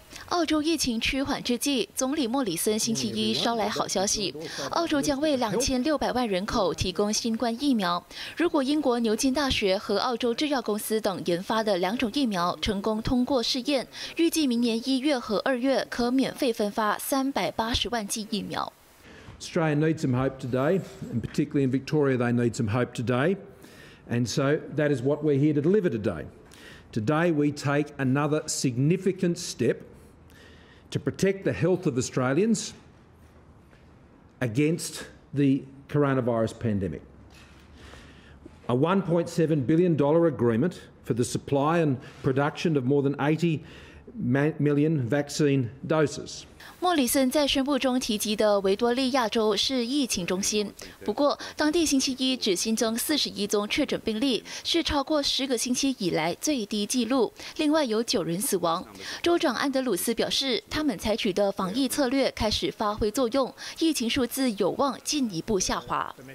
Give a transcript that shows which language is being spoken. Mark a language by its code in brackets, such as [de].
[zh] 澳洲疫情趋缓之际，总理莫里森星期一捎来好消息，澳洲将为2600万人口提供新冠疫苗。如果英国牛津大学和澳洲制药公司等研发的2种疫苗成功通过试验，预计明年1月和2月可免费分发380万剂疫苗。 [en] Australia needs some hope today, and particularly in Victoria, they need some hope today. And so that is what we're here to deliver today. Today we take another significant step to protect the health of Australians against the coronavirus pandemic. A $1.7 billion agreement for the supply and production of more than 80 million vaccine doses. [zh] 莫里森在宣布中提及的维多利亚州是疫情中心，不过当地星期一只新增41宗确诊病例，是超过10个星期以来最低纪录，另外有9人死亡。州长安德鲁斯表示，他们采取的防疫策略开始发挥作用，疫情数字有望进一步下滑。